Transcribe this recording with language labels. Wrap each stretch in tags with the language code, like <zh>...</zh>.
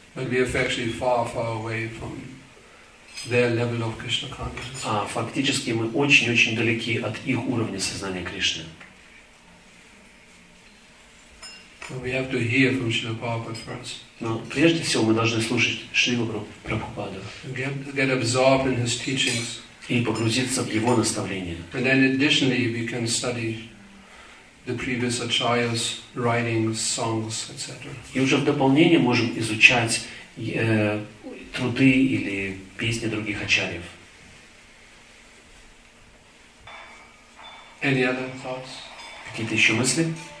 <ru>А фактически мы очень-очень далеки от их уровня сознания Кришны. Но прежде всего мы должны слушать Шрилу Прабхупаду.</ru> <en>Get absorbed in his teachings.</en> <ru>И погрузиться в его наставления.</ru> <en>And then additionally we can study the previous acharyas, writings, songs, etc.</en> <ru>И уже в дополнение можем изучать труды или песни других ачарьев.</ru> <en>Any other thoughts?</en> <ru>Какие-то еще мысли?</ru>